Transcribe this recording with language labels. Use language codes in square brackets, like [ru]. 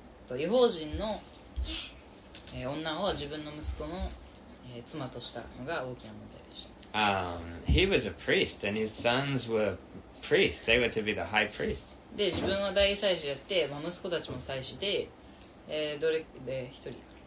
[ja] 異邦人の、女を自分の息子の、妻としたのが大きな問題でした。 [en] He was a priest, and his sons were priests. They were to be the high priest. [ja] で、自分は大祭司やって、まあ、息子たちも祭司で、どれで一人か。